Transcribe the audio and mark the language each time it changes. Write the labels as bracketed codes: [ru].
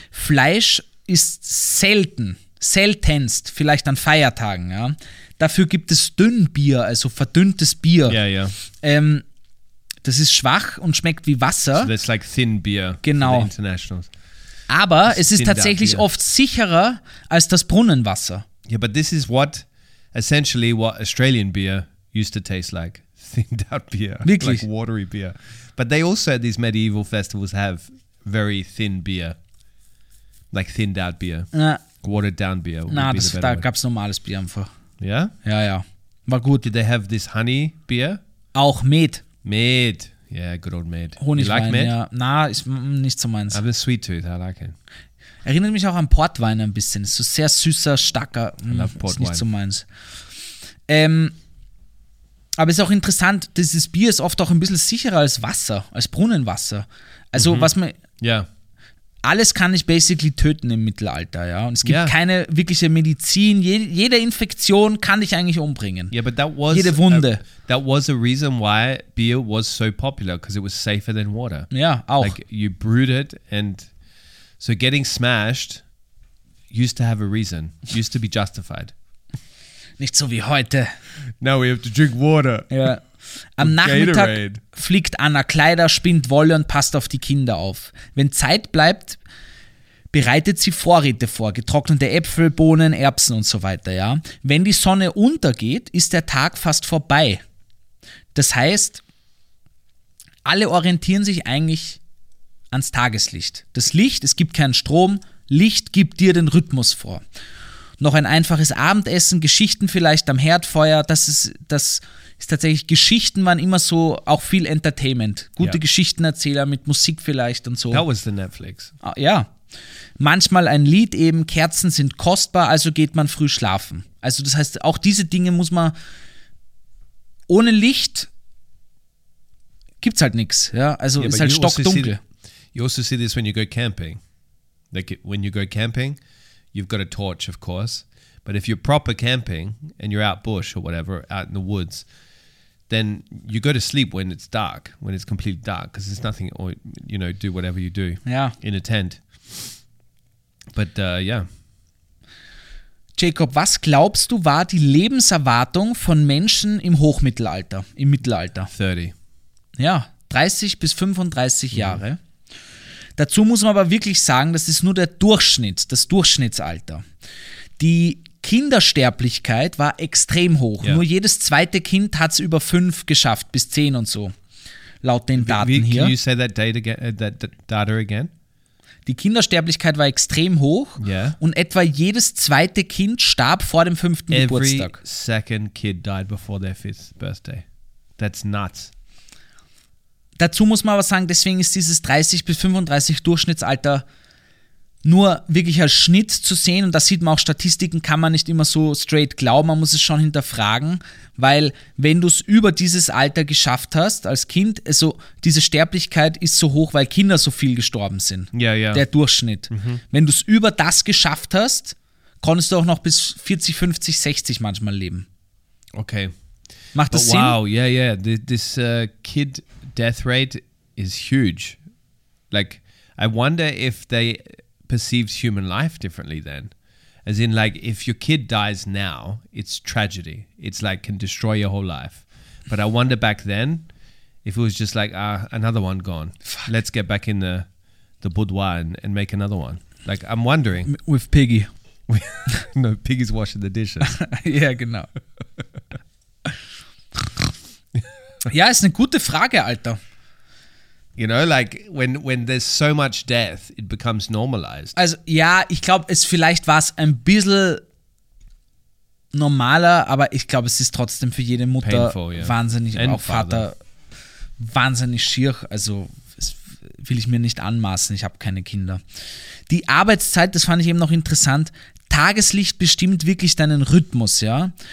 [de] Fleisch ist seltenst, vielleicht an Feiertagen, ja. Dafür gibt es Dünnbier, also verdünntes Bier. Ja, ja. Das ist schwach und schmeckt wie Wasser. [en] So that's like thin beer. [de] Genau. [en] For the internationals. [de] Aber [en] it's [de] es ist tatsächlich oft sicherer als das Brunnenwasser. [en] Yeah, but this is what, essentially, what Australian beer used to taste like. Thinned out beer. [de] Wirklich? [en] Like watery beer. But they also, at these medieval festivals, have very thin beer. Like thinned out beer. Watered down beer. [de] Nah, be das, da gab es normales Bier einfach. [en] Yeah? [de] Ja, ja. War gut. [en] Did they have this honey beer? [de] Auch Met. [en] Met. Yeah, good old Met. [de] Honigwein, like Met? Ja. Na, ist nicht so meins. [en] I have a sweet tooth, I like it. [de] Erinnert mich auch an Portwein ein bisschen. Ist so sehr süßer, starker. [en] I love Portwein. [de] Ist nicht so meins. Aber es ist auch interessant, dieses Bier ist oft auch ein bisschen sicherer als Wasser, als Brunnenwasser. Also was man... Ja. Alles kann dich basically töten im Mittelalter, ja. Und es gibt keine wirkliche Medizin. Jede Infektion kann dich eigentlich umbringen. [en] Yeah, but that was [de] jede Wunde. [en] That was a reason why beer was so popular, because it was safer than water. [de] Ja, auch. [en] Like, you brewed it and... So getting smashed used to have a reason. Used to be justified. [de] Nicht so wie heute. [en] Now we have to drink water. [de] Ja. Am Nachmittag Gatorade. Fliegt Anna Kleider, spinnt Wolle und passt auf die Kinder auf. Wenn Zeit bleibt, bereitet sie Vorräte vor. Getrocknete Äpfel, Bohnen, Erbsen und so weiter. Ja. Wenn die Sonne untergeht, ist der Tag fast vorbei. Das heißt, alle orientieren sich eigentlich ans Tageslicht. Das Licht, es gibt keinen Strom, Licht gibt dir den Rhythmus vor. Noch ein einfaches Abendessen, Geschichten vielleicht am Herdfeuer, das ist tatsächlich, Geschichten waren immer so auch viel Entertainment. Gute Geschichtenerzähler mit Musik vielleicht und so. [en] That was the Netflix. [de] Ja. Manchmal ein Lied eben, Kerzen sind kostbar, also geht man früh schlafen. Also das heißt, auch diese Dinge muss man, ohne Licht gibt's halt nichts. Ja, also ist halt stockdunkel. [en] You also see this when you go camping. Like when you go camping, you've got a torch, of course. But if you're proper camping and you're out bush or whatever, out in the woods, then you go to sleep when it's dark, when it's completely dark, because there's nothing, or, you know, do whatever you do in a tent. But [de] Jacob, was glaubst du war die Lebenserwartung von Menschen im Hochmittelalter, im Mittelalter? 30. Ja, 30 bis 35 Jahre. Dazu muss man aber wirklich sagen, das ist nur der Durchschnitt, das Durchschnittsalter. Die Kindersterblichkeit war extrem hoch. Ja. Nur jedes zweite Kind hat es über 5 geschafft, bis 10 und so, laut den Daten hier. [en] Can you say that data again? [de] Die Kindersterblichkeit war extrem hoch und etwa jedes zweite Kind starb vor dem 5. Geburtstag. [en] Every second kid died before their 5th birthday. That's nuts. [de] Dazu muss man aber sagen, deswegen ist dieses 30 bis 35 Durchschnittsalter nur wirklich als Schnitt zu sehen. Und da sieht man auch, Statistiken kann man nicht immer so straight glauben, man muss es schon hinterfragen. Weil wenn du es über dieses Alter geschafft hast als Kind, also diese Sterblichkeit ist so hoch, weil Kinder so viel gestorben sind. Ja, ja. Der Durchschnitt. Wenn du es über das geschafft hast, konntest du auch noch bis 40, 50, 60 manchmal leben. Okay. Macht das Sinn? [en] Wow, yeah, yeah. This kid death rate is huge. Like, I wonder if they perceived human life differently then. As in, like, if your kid dies now, it's tragedy. It's like, can destroy your whole life. But I wonder back then, if it was just like, another one gone. Fuck. Let's get back in the boudoir and make another one. Like, I'm wondering. With Piggy. No, Piggy's washing the dishes. Yeah, [de] genau. Ja, ist eine gute Frage, Alter. [en] You know, like when there's so much death, it becomes normalized. [de] Also ja, ich glaube, es vielleicht war es ein bisschen normaler, aber ich glaube, es ist trotzdem für jede Mutter [en] painful, [de] wahnsinnig, und auch Vater wahnsinnig schier. Also will ich mir nicht anmaßen, ich habe keine Kinder. Die Arbeitszeit, das fand ich eben noch interessant, Tageslicht bestimmt wirklich deinen Rhythmus, ja.